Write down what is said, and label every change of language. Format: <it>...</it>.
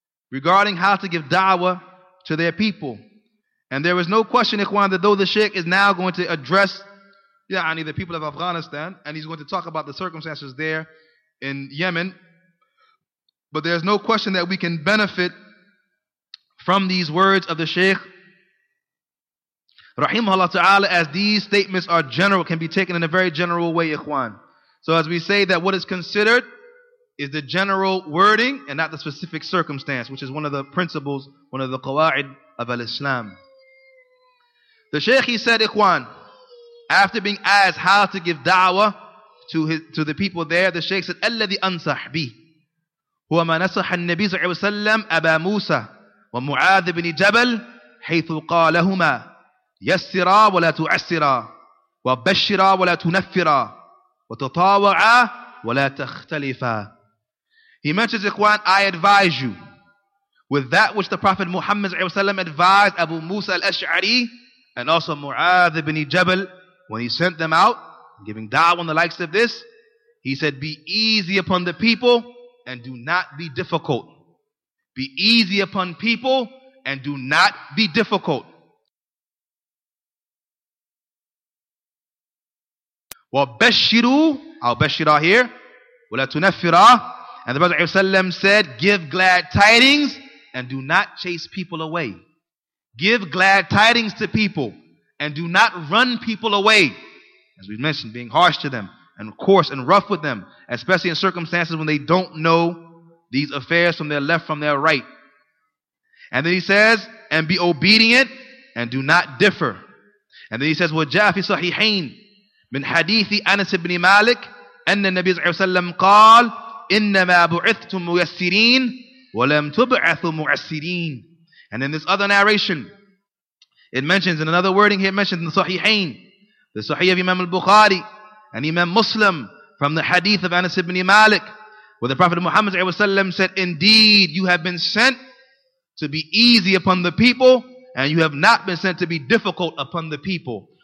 <en>Regarding how to give da'wah to their people. And there is no question, ikhwan, that though the Sheikh is now going to address the people of Afghanistan, and he's going to talk about the circumstances there in Yemen, but there's no question that we can benefit from these words of the Sheikh, rahimahullah ta'ala, as these statements are general, can be taken in a very general way, ikhwan. So as we say that what is considered is the general wording and not the specific circumstance, which is one of the principles, one of the qawa'id of al-Islam. The Shaykh, he said, ikhwan, after being asked how to give da'wah to the people there, the Shaykh said,</en> <ar>الَّذِي أَنْصَحْ بِهِ هُوَ مَا نَصَحَ النَّبِيِّ صَلَّى اللَّهُ عَلَيْهِ وَسَلَّمْ أَبَا مُوسَى وَمُعَاذِ بْنِ جَبَلْ حَيْثُ قَالَهُمَا يَسِّرَا وَلَا تُعَسِّرَا وَبَشِّرَا وَلَا تُنَفِّرَا وَتَطَاوَعَا وَلَا تَخْتَلِفَا.</ar> <en>He mentions, ikhwan, I advise you with that which the Prophet Muhammad ﷺ advised Abu Musa al-Ash'ari and also Mu'adh ibn Jabal when he sent them out, giving da'wah on the likes of this. He said, be easy upon the people and do not be difficult. Be easy upon people and do not be difficult.</en> <ar>وَبَشِّرُوا أَوْ بَشِّرَا</ar> <en>here</en> <ar>وَلَتُنَفِّرَا.</ar> <en>And the Prophet ﷺ said, give glad tidings and do not chase people away. Give glad tidings to people and do not run people away. As we mentioned, being harsh to them and coarse and rough with them, especially in circumstances when they don't know these affairs from their left, from their right. And then he says, and be obedient and do not differ. And then he says,</en> <ar>وَجَاءَ فِي صَحِيحَيْن مِنْ حَدِيثِ أَنَسِ بْنِ مَالِكِ أَنَّ النَّبِيَ صَلَّى اللَّهُ عَلَيْهِ وَسَلَّمَ قَالَ إِنَّمَا بُعِثْتُمْ مُيَسِّرِينَ وَلَمْ تُبْعَثُوا مُعَسِّرِينَ.</ar> <en>And in this other narration, it mentions, in another wording here, it mentions in the Sahihain, the Sahih of Imam al-Bukhari and Imam Muslim, from the hadith of Anas ibn Malik, where the Prophet Muhammad ﷺ said, indeed, you have been sent to be easy upon the people, and you have not been sent to be difficult upon the people.</en>